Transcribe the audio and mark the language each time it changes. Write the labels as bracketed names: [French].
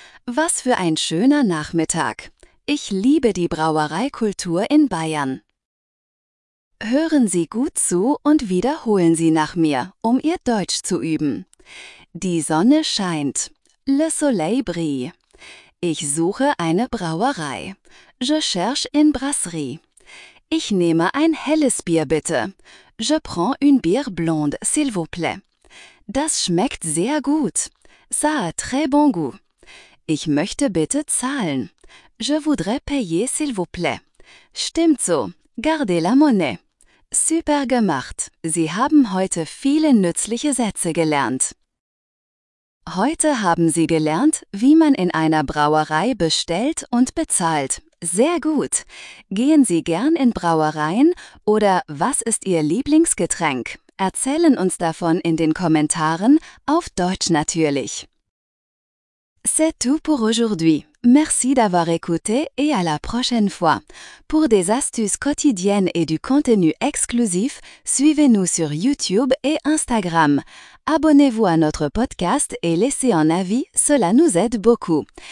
[German] Was für ein schöner Nachmittag. Ich liebe die Brauereikultur in Bayern. Hören Sie gut zu und wiederholen Sie nach mir, um Ihr Deutsch zu üben. Die Sonne scheint. [French] Le soleil brille. [German] Ich suche eine Brauerei. [French] Je cherche une brasserie. [German] Ich nehme ein helles Bier, bitte. [French] Je prends une bière blonde, s'il vous plaît. [German] Das schmeckt sehr gut. [French] Ça a très bon goût. [German] Ich möchte bitte zahlen. [French] Je voudrais payer, s'il vous plaît. [German] Stimmt so. [French] Gardez la monnaie. [German] Super gemacht. Sie haben heute viele nützliche Sätze gelernt. Heute haben Sie gelernt, wie man in einer Brauerei bestellt und bezahlt. Sehr gut. Gehen Sie gern in Brauereien oder was ist Ihr Lieblingsgetränk? Erzählen uns davon in den Kommentaren, auf Deutsch natürlich. [French] C'est tout pour aujourd'hui. Merci d'avoir écouté et à la prochaine fois. Pour des astuces quotidiennes et du contenu exclusif, suivez-nous sur YouTube et Instagram. Abonnez-vous à notre podcast et laissez un avis, cela nous aide beaucoup.